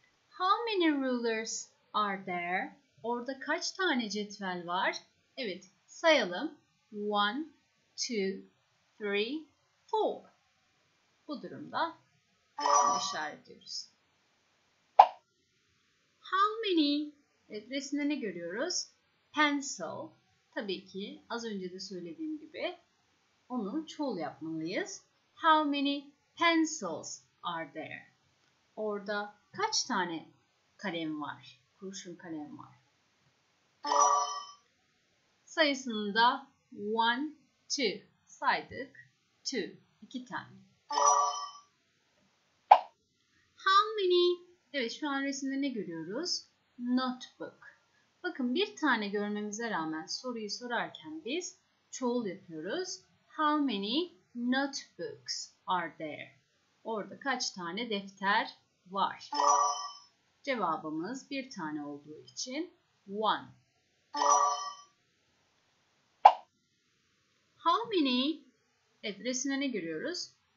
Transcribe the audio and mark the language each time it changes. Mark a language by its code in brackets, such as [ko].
[en] How many rulers are there? [tr] Orada kaç tane cetvel var? Evet, sayalım. 1, 2, 3, 4. Bu durumda işaretliyoruz. [en] How many? [tr] Evet, resimde ne görüyoruz? Pencil. Tabii ki az önce de söylediğim gibi onu çoğul yapmalıyız. [en] How many pencils are there? [tr] Orada kaç tane kalem var? Kurşun kalem var. Sayısını da 1, 2 saydık. 2, 2 tane. [en] How many? [tr] Evet, şu an resimde ne görüyoruz? Notebook. Bakın, bir tane görmemize rağmen soruyu sorarken biz çoğul yapıyoruz. [en] How many notebooks are there? [tr] Orada kaç tane defter var? Cevabımız bir tane olduğu için 1. [en] How many? [tr] Evet, resimde ne görüyoruz?